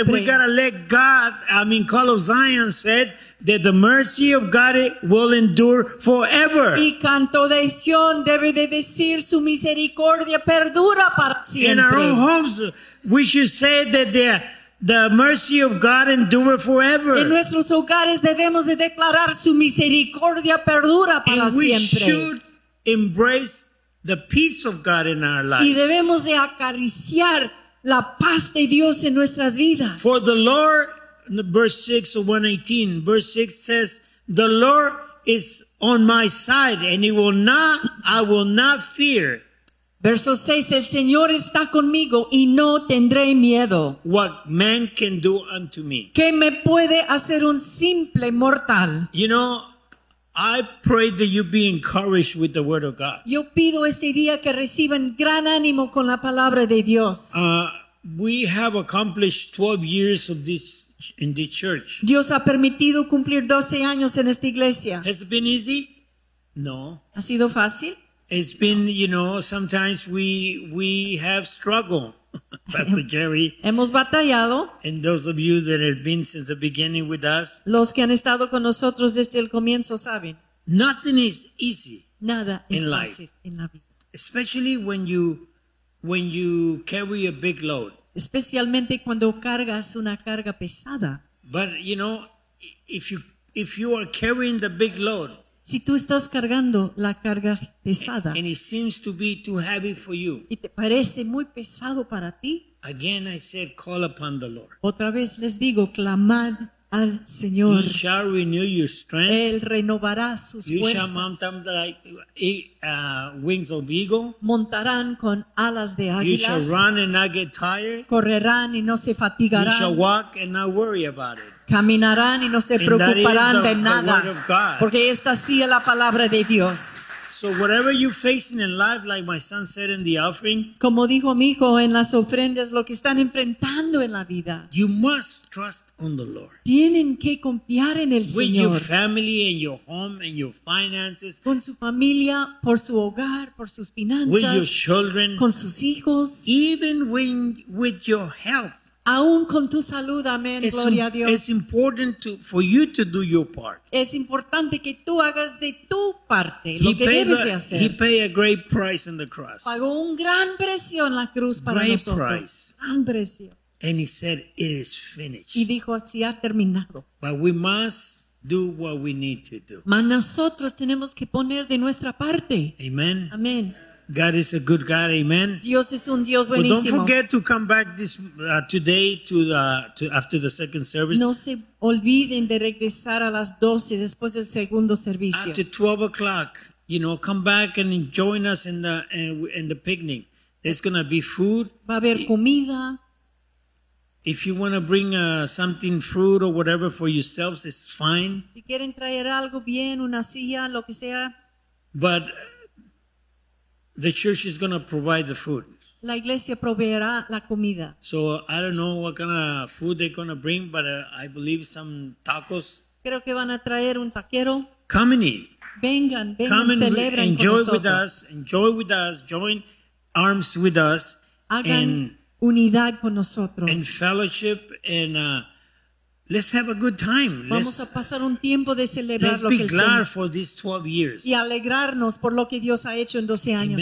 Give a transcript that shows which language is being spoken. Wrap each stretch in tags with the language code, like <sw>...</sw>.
<en>I believe that we gotta let God, call of Zion said, that the mercy of God will endure forever.</en> <es>Y canto de Sion debe de decir su misericordia perdura para siempre.</es> <en>In our own homes, we should say that the mercy of God endure forever.</en> <es>En nuestros hogares debemos de declarar su misericordia perdura para</es> <en>and</en> <es>siempre.</es> <en>And we should embrace the peace of God in our lives.</en> <es>Y debemos de acariciar la paz de Dios en nuestras vidas.</es> <en>For the Lord. Verse 6 of 118. Verse 6 says, the Lord is on my side, and I will not fear.</en> <es>Verso 6, el Señor está conmigo, y no tendré miedo.</es> <en>What man can do unto me.</en> <es>¿Qué me puede hacer un simple mortal?</es> <en>You know, I pray that you be encouraged with the word of God.</en> <es>Yo pido este día que reciban gran ánimo con la palabra de Dios.</es> <en>We have accomplished 12 years of this in the church.</en> <es>Dios ha permitido cumplir 12 años en esta iglesia.</es> <en>Has it been easy? No.</en> <es>¿Ha sido fácil?</es> <en>It's been, you know, sometimes we have struggled, Pastor Jerry.</en> <es>Hemos batallado.</es> <en>And those of you that have been since the beginning with us.</en> <es>Los que han estado con nosotros desde el comienzo saben.</es> <en>Nothing is easy.</en> <es>Nada es fácil</es> <en>life.</en> <es>En la vida.</es> <en>Especially when you carry a big load.</en> <es>Especialmente cuando cargas una carga pesada.</es> <en>But you know, if you are carrying the big load,</en> <es>si tú estás cargando la carga pesada,</es> <en>and it seems to be too heavy for you,</en> <es>y te parece muy pesado para ti,</es> <en>again I said, call upon the Lord.</en> <es>Otra vez les digo, clamad al Señor.</es> <en>He shall renew your strength.</en> <es>Él renovará sus</es> <en>you</en> <es>fuerzas.</es> <en>Shall mount them like wings of eagle.</en> <es>Montarán con alas de águilas.</es> <en>You shall run and not get tired.</en> <es>Correrán y no se fatigarán.</es> <en>You shall walk and not worry about it.</en> <es>Caminarán y no se preocuparán</es> <en>the,</en> <es>de nada.</es> <en>Word of God.</en> <es>Porque esta sí es la palabra de Dios.</es> <en>So whatever you're facing in life, like my son said in the offering,</en> <es>como dijo mi hijo en las ofrendas, lo que están enfrentando en la vida,</es> <en>you must trust on the Lord.</en> <es>Tienen que confiar en el</es> <en>with</en> <es>Señor.</es> <en>With your family and your home and your finances.</en> <es>Con su familia, por su hogar, por sus finanzas.</es> <en>With your children.</en> <es>Con sus hijos.</es> <en>Even with your health.</en> <es>Aún con tu salud, amén, gloria a Dios.</es> <en>It's important for you to do your part.</en> <es>Es importante que tú hagas de tu parte lo que debes de hacer.</es> <en>He paid a great price in the cross.</en> <es>Pagó un gran precio en la cruz para nosotros.</es> <en>Great price.</en> <es>Gran precio.</es> <en>And he said, it is finished.</en> <es>Y dijo, así ha terminado.</es> <en>But we must do what we need to do.</en> <es>Mas nosotros tenemos que poner de nuestra parte.</es> <en>Amen.</en> <es>Amén.</es> <en>God is a good God, amen.</en> <es>Dios es un Dios buenísimo.</es> <en>Well, don't forget to come back this today to after the second service.</en> <es>No se olviden de regresar a las 12 después del segundo servicio.</es> <en>After 12 o'clock, you know, come back and join us in the picnic. There's gonna be food.</en> <es>Va a haber comida.</es> <en>If you want to bring something, fruit or whatever for yourselves, it's fine.</en> <es>Si quieren traer algo bien, una silla, lo que sea.</es> <en>But the church is going to provide the food.</en> <es>La iglesia proveerá la comida.</es> <en>So I don't know what kind of food they're going to bring, but I believe some tacos.</en> <es>Creo que van a traer un taquero.</es> <en>Come and eat.</en> <es>Vengan, vengan,</es> <en>come and</en> <es>celebren con</es> <en>enjoy</en> <es>nosotros.</es> <en>With us, enjoy with us, join arms with us.</en> <es>Hagan unidad con nosotros.</es> <en>And fellowship and let's have a good time.</en> <es>Vamos a pasar un tiempo de celebrar</es> <en>let's</en> <es>lo</es> <en>be</en> <es>que</es> <en>glad</en> <es>Señor.</es> <en>For these 12 years.</en> <es>Y alegrarnos por lo que Dios ha hecho en 12 años.</es>